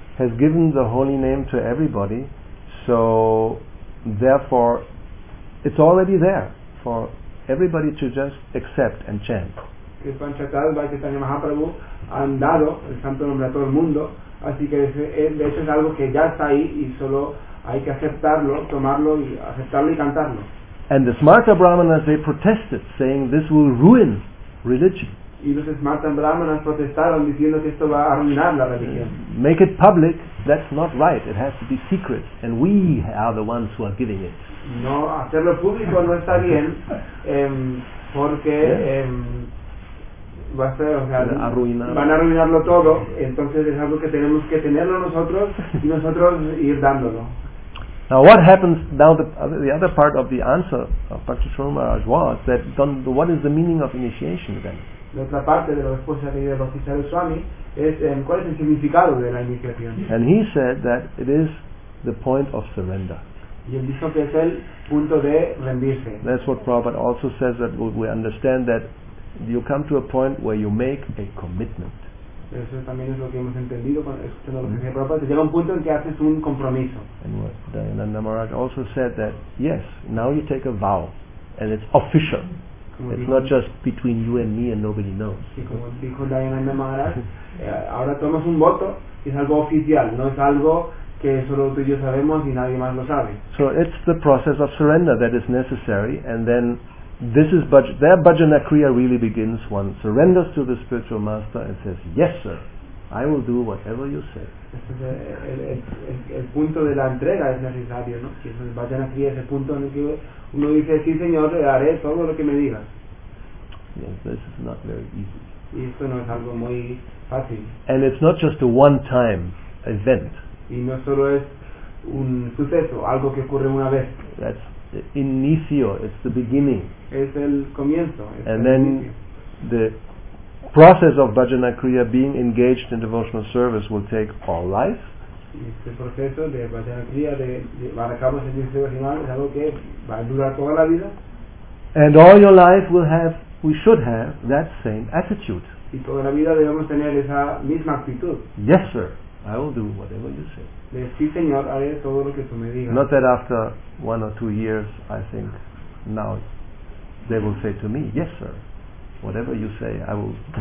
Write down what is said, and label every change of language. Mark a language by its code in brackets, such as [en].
[en] has given the holy name to everybody, so therefore it's already there for everybody to just accept and chant. [es] Que Panchatalva, Chaitanya Mahaprabhu han dado el santo nombre a todo el mundo, así que eso es algo que ya está ahí y solo hay que aceptarlo, tomarlo y aceptarlo y cantarlo. [en] And the smarter brahmanas, they protested, saying this will ruin religion. [es] Y los smarter brahmanas protestaron diciendo que esto va a arruinar la religión. [en] Make it public, that's not right. It has to be secret, and we are the ones who are giving it. [es] No, hacerlo público no está bien, porque va a ser, o sea, arruinar. Van a arruinarlo todo. Entonces es algo que tenemos que tenerlo nosotros y nosotros ir dándolo. [en] Now what happens, now the other part of the answer of Bhaktisvara Maharaj was that what is the meaning of initiation then? [es] La otra parte de la respuesta de Bhaktisvara Swami es ¿cuál es el significado de la iniciación? [en] And he said that it is the point of surrender. [es] Y él dijo que es el punto de rendirse. [en] That's what Prabhupada also says, that we understand that you come to a point where you make a commitment. [es] Eso también es lo que hemos entendido escuchando lo que dice Prabhupada. Se llega a un punto en que haces un compromiso. [en] And what Dayananda Maharaj also said, that yes, now you take a vow and it's official. [es] Como [en] it's [es] dijo, [en] not just between you and me and nobody knows. [es] Sí, como dijo Dayananda Maharaj, ahora tomas un voto y es algo oficial, no es algo que solo tú y yo sabemos y nadie más lo sabe. [en] So it's the process of surrender that is necessary, and then this is their bhajana kriya really begins. One surrenders to the spiritual master and says, "Yes, sir, I will do whatever you say." [es] El punto de la entrega es necesario, ¿no? Que es el bhajana kriya, ese punto en el que uno dice, sí, señor, haré todo lo que me digas. [en] Yes, this is not very easy. [es] Y esto no es algo muy fácil. [en] And it's not just a one-time event. [es] Y no solo es un suceso, algo que ocurre una vez. [en] That's inicio, it's the beginning. [es] Es el comienzo, [en] and then the process of bhajana kriya, being engaged in devotional service, will take all life. [es] Este proceso de bhajana kriya de llevar a cabo servicio devocional es algo que va a durar toda la vida. [en] And all your life we should have that same attitude. [es] Y toda la vida debemos tener esa misma actitud. [en] Yes, sir. I will do whatever you say. [es] Sí, señor, haré todo lo que tú me digas. [en] Not that after 1 or 2 years, I think now they will say to me, "Yes, sir, whatever you say, I will."